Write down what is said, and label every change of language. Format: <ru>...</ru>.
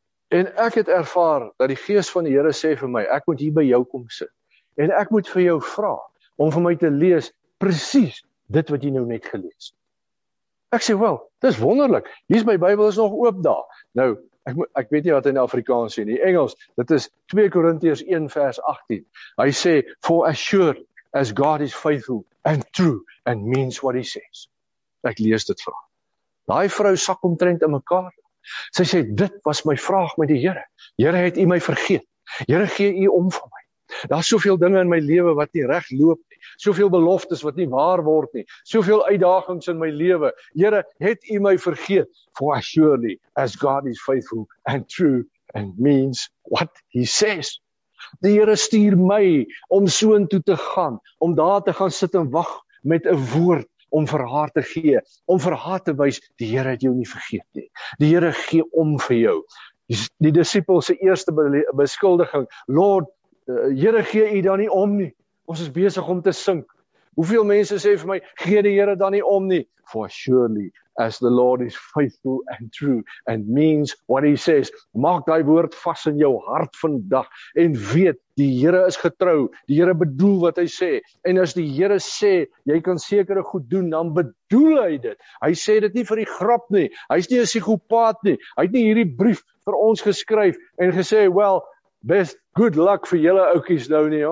<af>En ek het ervaar dat die gees van die Here sê vir my, ek moet hier by jou kom sit. En ek moet vir jou vra om vir my te lees presies dit wat jy nou net gelees het. Ek sê, wel, dis wonderlik. Hier is my Bybel is nog oop daar. Nou, ek weet nie wat hy in Afrikaans sê nie. Engels, dit is 2 Korintiërs 1 vers 18. Hy sê,</af> <en>for as sure as God is faithful and true and means what he says.</en> <af>Ek lees dit vir haar. Daai vrou sak omtrent in mekaar. Sy sê, dit was my vraag met die Here. Here, het u my vergeet? Here, gee u om vir my? Daar's soveel dinge in my lewe wat nie reg loop nie. Soveel beloftes wat nie waar word nie. Soveel uitdagings in my lewe. Here, het U my vergeet?</af> <en>For surely as God is faithful and true and means what he says.</en> <af>Die Here stuur my om soontoe te gaan, om daar te gaan sit en wag met 'n woord om vir haar te gee, om vir haar te wys die Here het jou nie vergeet nie. Die Here gee om vir jou. Die disippels se eerste beskuldiging, Lord, Here gee U dan nie om nie. Ons is besig om te sink. Hoeveel mense sê vir my, gee die Here dan nie om nie?</af> <en>For surely as the Lord is faithful and true and means what he says.</en> <af>Maak daai woord vas in jou hart vandag en weet die Here is getrou. Die Here bedoel wat hy sê. En as die Here sê jy kan sekere goed doen, dan bedoel hy dit. Hy sê dit nie vir die grap nie. Hy's nie 'n psigopaat nie. Hy het nie hierdie brief vir ons geskryf en gesê,</af> <en>"Well, best good luck</en> <af>vir julle ouppies nou nie.</af>